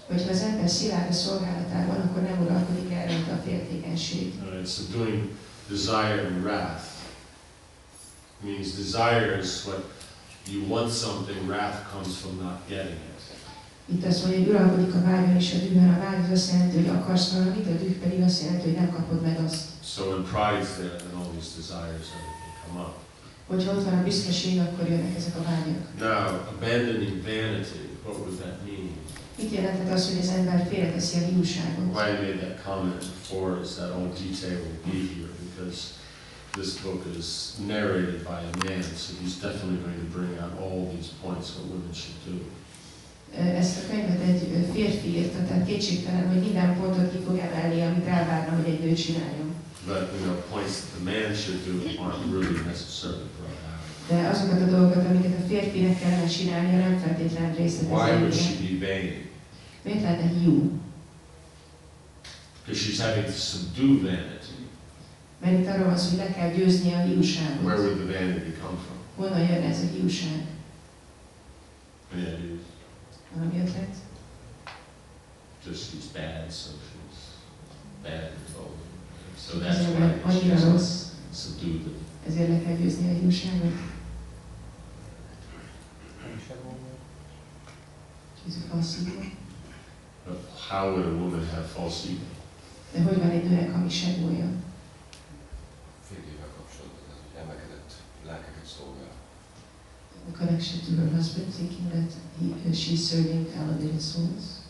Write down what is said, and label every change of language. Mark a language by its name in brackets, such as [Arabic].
[Hungarian] Hogyha az ember szilárd a szolgálatában, akkor nem uralkodik el rajta a féltékenység. [English] Right, so doing desire and wrath means desire is what you want something, wrath comes from not getting it. [Hungarian] Itt azt mondja, hogy uralkodik a vágyon és a dühben, a vágy az azt jelenti, hogy akarsz valamit, a düh pedig azt jelenti, hogy nem kapod meg azt. [English] So when pride is there, then all these desires everything come up. [Hungarian] Hogyha ott van a büszkeség, akkor jönnek ezek a vágyok. [English] Now, abandoning vanity, what would that mean? [Hungarian] Mit jelentett az, hogy az ember félreteszi a hiúságot? [English] Why I made that comment before is that all detail will be here, because this book is narrated by a man, so he's definitely going to bring out all these points what women should do. [Hungarian] Ezt a könyvet egy férfi írta, tehát kétségtelen, hogy minden pontot ki fog emelni, amit elvárna, hogy egy nő csináljon. [English] But points that the man should do aren't really necessary for a [Hungarian] De azokat a dolgokat, amiket a férfinek kellene csinálnia, nem feltétlen részletezni. [English] Why would she be vain? [Hungarian] Miért lenne hiú? [English] Because she's having to subdue vanity. [Hungarian] Mert itt arról van szó, hogy le kell győzni a hiúságot. [English] Where would the vanity come from? [Hungarian] Honnan jön ez a hiúság? [English] Any ideas? [Hungarian] Valami ötlet? [English] Just these bad socials, bad people. So that's why it's just subdued them. [Hungarian] Ezért le kell győzni a hiúságot. [English] Is it false ego? But how would a woman have false ego? [Hungarian] De hogy van egy nőnek hamis egója? Férjével kapcsolatban, az hogy emelkedett lelkeket szolgál. [English] The connection to her husband, thinking that she is serving elevated souls.